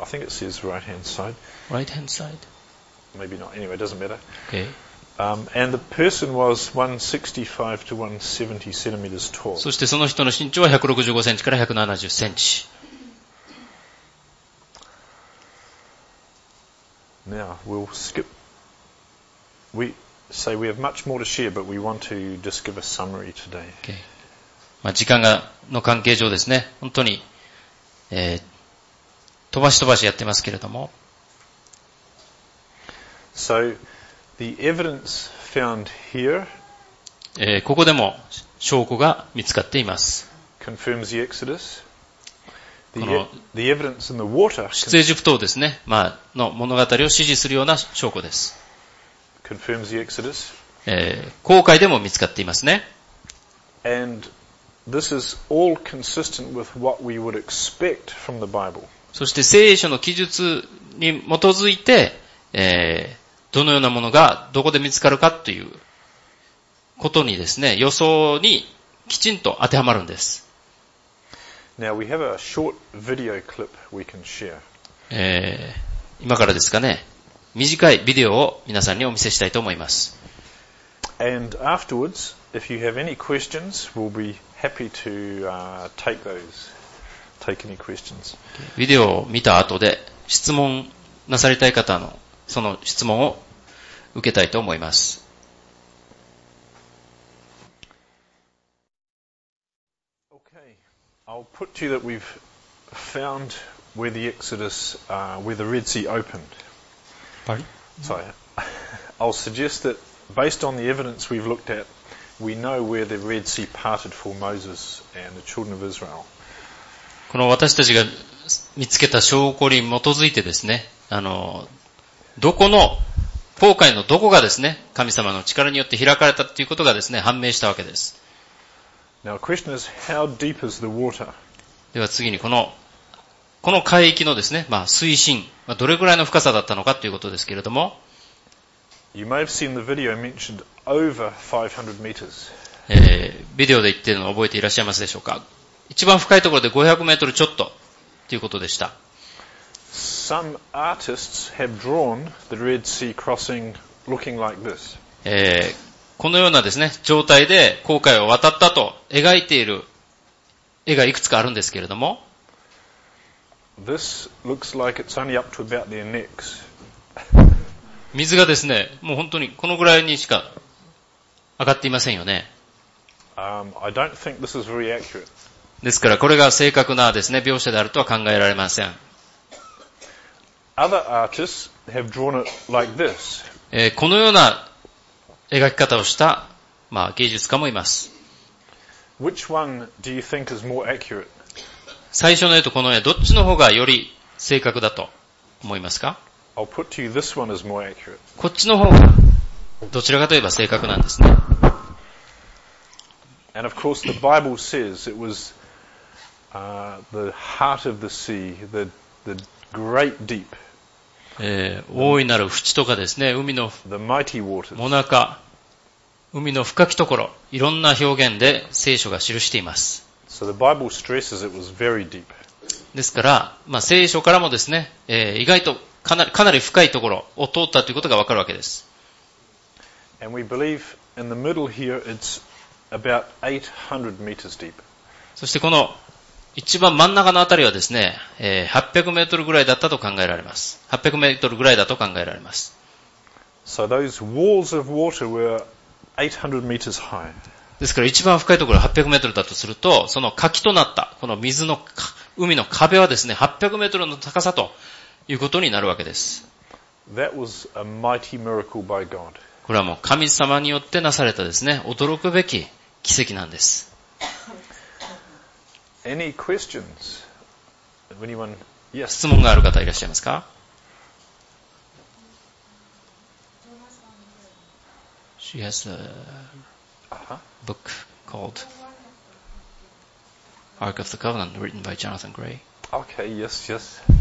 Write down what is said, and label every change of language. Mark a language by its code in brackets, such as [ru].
[en] I think it says right-hand side. Right-hand side? Maybe not. Anyway, it doesn't matter. Okay. And the person was 165 to 170 centimeters tall. [ja] そしてその人の身長は165センチから170センチ。 [en] Now, we'll skip. We say we have much more to share, but we want to just give a summary today. Okay. [ja] まあ、時間がの関係上ですね、本当に、飛ばし飛ばしやってますけれども。 [en] So, the evidence found here, [ja] ここでも証拠が見つかっています。 [en] Confirms the Exodus. [ja] この出エジプトですね、まあの物語を支持するような証拠です。 [en] Confirms the Exodus. [ja] 航海でも見つかっていますね。 [en] And this is all consistent with what we would expect from the Bible. [ja] そして聖書の記述に基づいて、どのようなものがどこで見つかるかということにですね、予想にきちんと当てはまるんです。 [en] Now we have a short video clip we can share. [ja] 今からですかね、短いビデオを皆さんにお見せしたいと思います。 [en] And afterwards, if you have any questions, we'll be happy to take any questions. [ja] ビデオを見た後で質問なされたい方のその質問を受けたいと思います。 [en] I'll put to you that we've found where the Exodus, where the Red Sea opened. Pardon? Sorry. I'll suggest that based on the evidence we've looked at, we know where the Red Sea parted for Moses and the children of Israel. [ja] この私たちが見つけた証拠に基づいてですね、どこの、航海のどこがですね、神様の力によって開かれたということがですね、判明したわけです。 [en] Now, the question is, how deep is the water? [ja] では次にこの海域のですね、まあ水深、まあ、どれぐらいの深さだったのかということですけれども、 [en] You may have seen the video mentioned over 500 meters. [ja] ビデオで言っているのを覚えていらっしゃいますでしょうか。一番深いところで500メートルちょっとということでした。 [en] Some artists have drawn the Red Sea crossing looking like this. [ja] このようなですね、状態で航海を渡ったと描いている絵がいくつかあるんですけれども、 [en] This looks like it's only up to about their necks. [ja] 水がですね、もう本当にこのぐらいにしか上がっていませんよね。 [en] I don't think this is very accurate. [ja] ですからこれが正確なですね、描写であるとは考えられません。 [en] Other artists have drawn it like this. [ja] このような描き方をした、まあ、芸術家もいます。 [en] Which one do you think is more accurate? [ja] 最初の絵とこの絵、どっちの方がより正確だと思いますか? [en] I'll put to you this one is more accurate. [ja] こっちの方が、どちらかといえば正確なんですね。 [en] And of course the Bible says it was, the heart of the sea, the great deep. [ja] 大いなる淵とかですね、海の中、海の深きところ、いろんな表現で聖書が記しています。 [en] So、the Bible stresses it was very deep. [ja] ですから、まあ、聖書からもですね、意外とかなり深いところを通ったということがわかるわけです。 [en] And we believe in the middle here it's about 800 meters deep. [ja] そしてこの一番真ん中のあたりはですね、800メートルぐらいだったと考えられます。 800メートルぐらいだと考えられます。 [en] So those walls of water were 800 meters high. [ja] ですから一番深いところは800メートルだとすると、その垣となった、この水の、海の壁はですね、800メートルの高さということになるわけです。 [en] That was a mighty miracle by God. [ja] これはもう神様によってなされたですね、驚くべき奇跡なんです。 [en] Any questions? Anyone? Yes. [ja] 質問がある方いらっしゃいますか? [en] She has a book called Ark of the Covenant, written by Jonathan Gray. Okay, yes, yes.